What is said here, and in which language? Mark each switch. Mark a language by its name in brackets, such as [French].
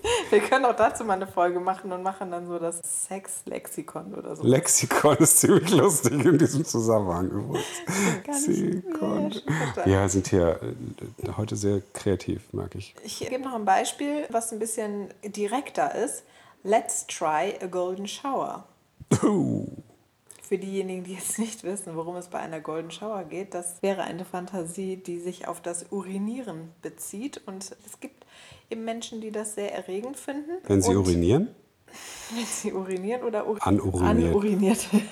[German] Wir können auch dazu mal eine Folge machen und machen dann so das Sex-Lexikon oder so. Lexikon ist ziemlich lustig in diesem Zusammenhang. Lexikon. Ja, sind hier heute sehr kreativ, merke ich. Ich gebe noch ein Beispiel, was ein bisschen direkter ist. [English] Let's try a golden shower. [German] Für diejenigen, die jetzt nicht wissen, worum es bei einer Golden Shower geht, das wäre eine Fantasie, die sich auf das Urinieren bezieht. Und es gibt eben Menschen, die das sehr erregend finden. Wenn sie und urinieren? Wenn sie urinieren oder anuriniert